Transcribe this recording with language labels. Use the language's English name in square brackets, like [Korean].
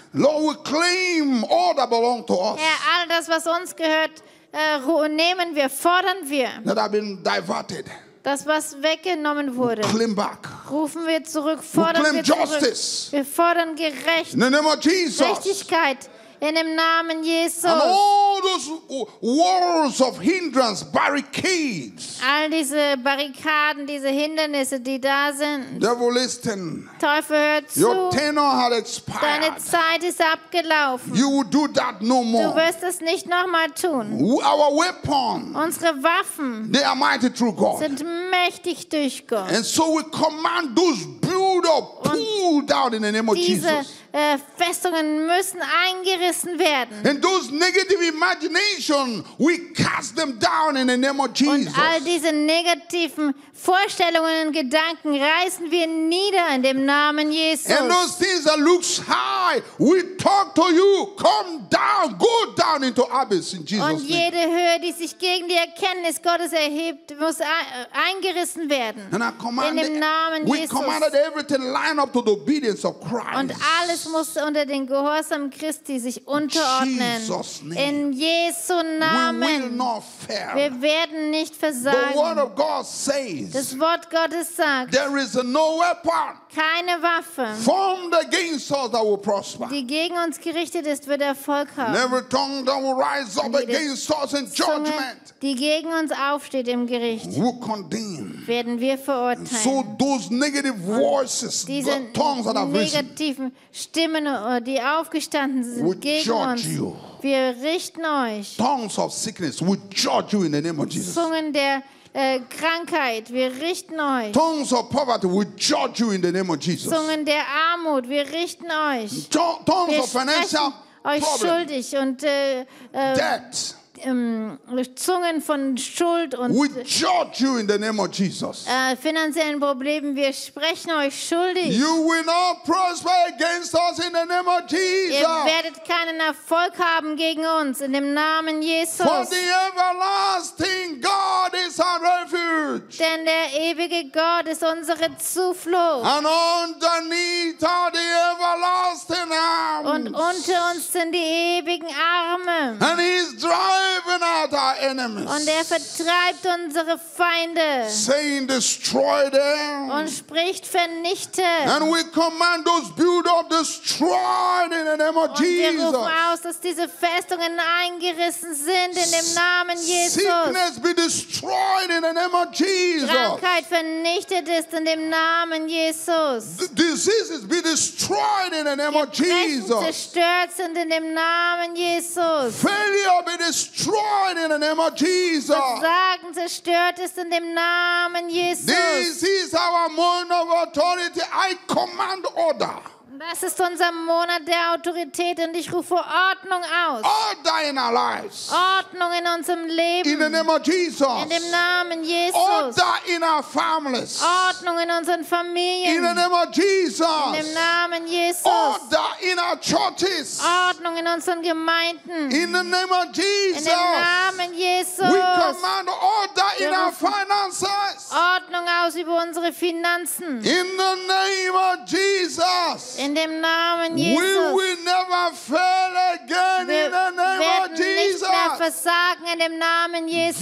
[English] Lord, we claim all that belong to us. [German] Herr, all das, was uns gehört, nehmen wir, fordern wir. [English] That have been diverted. [German] Das, was weggenommen wurde, [English] claim back. [German] Rufen wir zurück, fordern [English] we claim [German] wir zurück. [English] Justice. [German] Wir fordern Gerecht. [English] In the name of Jesus. [German] Gerechtigkeit in dem Namen Jesus. [English] And all those walls of hindrance, barricades. [German] All diese Barrikaden, diese Hindernisse, die da sind. [English] Devil, listen. [German] Teufel, hör zu. [English] Your tenor had expired. [German] Deine Zeit ist abgelaufen. [English] You will do that no more. [German] Du wirst es nicht nochmal tun. [English] Our weapon, [German] unsere Waffen, [English] they are mighty through God. [German] Sind mächtig durch Gott. [English] And so we command those build up, pull down in the name of [German] diese [English] Jesus. [German] Festungen müssen eingerissen werden. [English] And those negative imagination, we cast them down in the name of Jesus. [German] Und all diese negativen Vorstellungen und Gedanken reißen wir nieder in dem Namen Jesus. [English] And those things that looks high, we talk to you, come down, go down into abyss in Jesus' name. [German] Und jede Höhe, die sich gegen die Erkenntnis Gottes erhebt, muss eingerissen werden. [English] And I command [German] in dem Namen [English] we [German] Jesus. [English] We commanded everything line up to the obedience of Christ. [German] Und alles muss unter den Gehorsam Christi sich unterordnen. In Jesu Namen. Wir werden nicht versagen. Das Wort Gottes sagt, [English] there is no weapon, [German] keine Waffe, [English] formed against us that will prosper, [German] die gegen uns gerichtet ist, wird Erfolg haben. [English] Every tongue that will rise up against us in judgment, [German] die gegen uns aufsteht im Gericht, [English] will condemn, [German] werden wir verurteilen. [English] So those negative voices, [German] diese [English] tongues that have [German] negativen Stimmen, die aufgestanden sind, [English] will [German] gegen uns. [English] You. [German] Wir richten euch. [English] Tongues of sickness, we judge you in the name of Jesus. [German] Zungen der Krankheit, wir richten euch. [English] Tongues of poverty, we judge you in the name of Jesus. [German] Zungen der Armut, wir richten euch. [English] Tongues of financial [German] euch [English] problem. [German] Schuldig und [English] debt. [German] Zungen von Schuld und [English] we judge you in the name of Jesus. [German] Finanziellen Problemen, wir sprechen euch schuldig. [English] You will not prosper against us in the name of Jesus. [German] Ihr werdet keinen Erfolg haben gegen uns in dem Namen Jesus. [English] For the everlasting God is our refuge. [German] Denn der ewige Gott ist unsere Zuflucht. [English] And underneath are the everlasting arms. [German] Und unter uns sind die ewigen Arme. [English] And he's driving out our enemies. [German] Und er vertreibt unsere Feinde. [English] Saying, destroy them. [German] Und spricht, vernichte. [English] And we command those build up destroyed in the name of [German] und [English] Jesus. [German] Wir rufen aus, dass diese Festungen eingerissen sind in dem Namen Jesus. [English] Sickness be destroyed in the name of Jesus. [German] Krankheit vernichtet ist in dem Namen Jesus. [English] Diseases be destroyed in the name of Jesus. [German] Gebrechen zerstört sind in dem Namen Jesus. [English] Failure be destroyed in the name of Jesus. [German] Versagen zerstört ist in dem Namen Jesus. [English] This is our moment of authority. I command order. [German] Das ist unser Monat der Autorität und ich rufe Ordnung aus. [English] Order in our lives. [German] Ordnung in unserem Leben. [English] In the name of Jesus. [German] In dem Namen Jesus. [English] Order in our families. [German] Ordnung in unseren Familien. [English] In the name of Jesus. [German] In dem Namen Jesus. [English] Order in our churches. [German] Ordnung in unseren Gemeinden. [English] In the name of Jesus. [German] In dem Namen Jesus. [English] We command order in our finances. [German] Ordnung aus über unsere Finanzen. [English] In the name of Jesus. [German] In dem Namen Jesus. [English] We will never fail again in the name of Jesus. [German] Wir werden nicht mehr versagen in dem Namen Jesus.